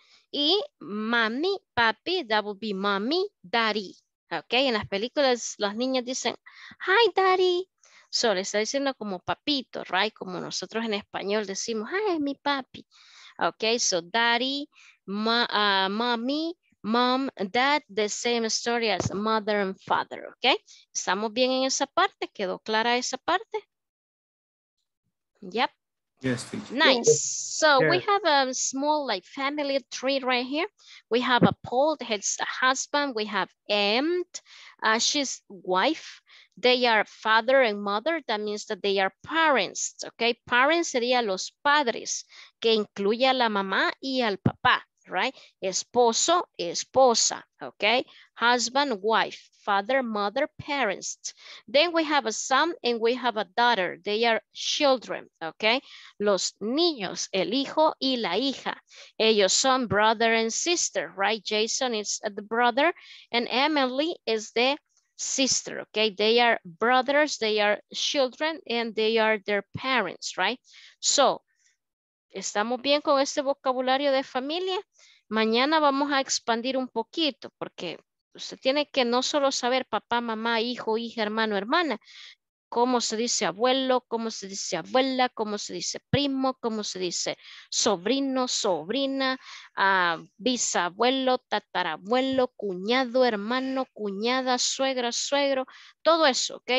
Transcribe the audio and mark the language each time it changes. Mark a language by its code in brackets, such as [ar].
[es] Y mami, papi, [en] that would be mommy, daddy. Okay? [es] En las películas las niñas dicen, [en] hi, daddy. [es] So, le está diciendo como papito, right? Como nosotros en español decimos, hi, es mi papi. [en] Okay, so daddy, mommy, mom, dad, the same story as mother and father, okay? [es] ¿Estamos bien en esa parte? ¿Quedó clara esa parte? Yep. [en] Yes, teacher. Nice. So yeah. We have a small like family tree right here. We have a Paul, his husband. We have aunt, she's wife. They are father and mother. That means that they are parents. [es] Okay, parents sería los padres, que incluye a la mamá y al papá, right? Esposo, esposa, [en] okay? Husband, wife, father, mother, parents. Then we have a son and we have a daughter. They are children, okay? [es] Los niños, el hijo y la hija. Ellos son [en] brother and sister, right? Jason is the brother and Emily is the sister, okay? They are brothers, they are children and they are their parents, right? [es] So, ¿estamos bien con este vocabulario de familia? Mañana vamos a expandir un poquito porque usted tiene que no solo saber papá, mamá, hijo, hija, hermano, hermana, cómo se dice abuelo, cómo se dice abuela, cómo se dice primo, cómo se dice sobrino, sobrina, bisabuelo, tatarabuelo, cuñado, hermano, cuñada, suegra, suegro, todo eso, ¿ok?